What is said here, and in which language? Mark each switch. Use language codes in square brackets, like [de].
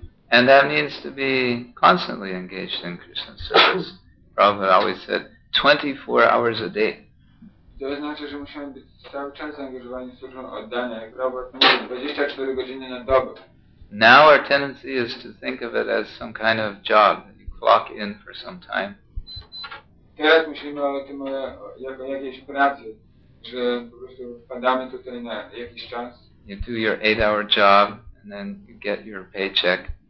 [en] And that means to be constantly engaged in Krishna service. Prabhupada always said 24 hours a day. [pl] To oznacza, że musimy być cały czas zaangażowani w służbę oddania, jak Prabhupada mówi, 24 godziny na dobę. [en] Now our tendency is to think of it as some kind of job. You clock in for some time. [pl] Teraz myślimy o tym jako jakiejś pracy, że po prostu wpadamy tutaj na jakiś czas. [en] You do your 8-hour job and then you get your paycheck.